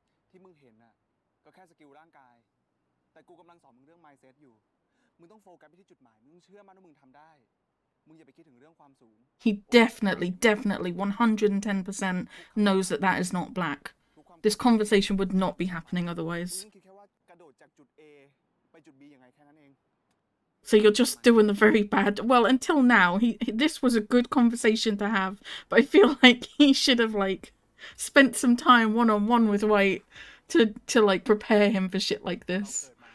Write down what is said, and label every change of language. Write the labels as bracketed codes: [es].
[th] ที่มึงเห็นน่ะก็แค่สกิลร่างกายแต่กูกำลังสอนมึงเรื่อง mindset อยู่มึงต้องโฟกัสไปที่จุดหมายมึงเชื่อมั่นว่ามึงทำได้มึงอย่าไปคิดถึงเรื่องความสูง [en] He definitely 110% knows that that is not Black. This conversation would not be happening otherwise. [th] คิดแค่ว่ากระโดดจากจุด A ไปจุด B ยังไงแค่นั้นเอง [en] So you're just doing the very bad. Well, until now, this was a good conversation to have, but I feel like he should have like spent some time one-on-one with White to like prepare him for shit like this.